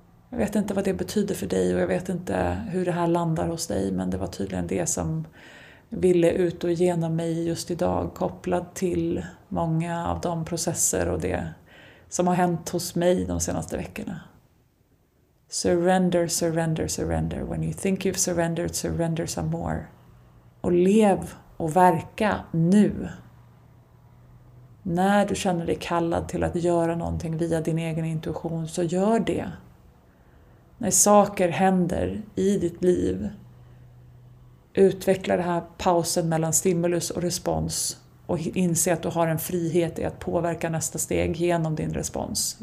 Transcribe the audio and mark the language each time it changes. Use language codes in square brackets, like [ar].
[sv] Jag vet inte vad det betyder för dig och jag vet inte hur det här landar hos dig, men det var tydligen det som ville ut och genom mig just idag, kopplad till många av de processer och det som har hänt hos mig de senaste veckorna. [en] Surrender, surrender, surrender. When you think you've surrendered, surrender some more. [sv] Och lev och verka nu. När du känner dig kallad till att göra någonting via din egen intuition, så gör det. När saker händer i ditt liv, utveckla den här pausen mellan stimulus och respons och inse att du har en frihet i att påverka nästa steg genom din respons.